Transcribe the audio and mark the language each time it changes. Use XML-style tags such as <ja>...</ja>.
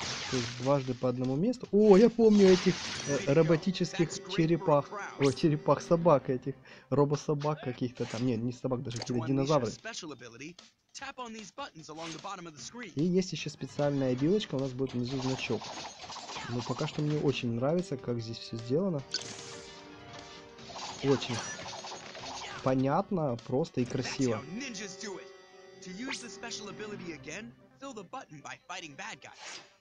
<ru>То есть дважды по одному месту. О, я помню этих роботических черепах. О, черепах собак этих. Робособак каких-то там. Не собак, даже какие-то динозавры.</ru> <en>Tap on these buttons along the bottom of the screen.</en> <ru>И есть еще специальная билочка, у нас будет внизу значок. Но пока что мне очень нравится, как здесь все сделано. Очень понятно, просто и красиво.</ru> <en>To use the special ability again, fill the button by fighting bad guys.</en>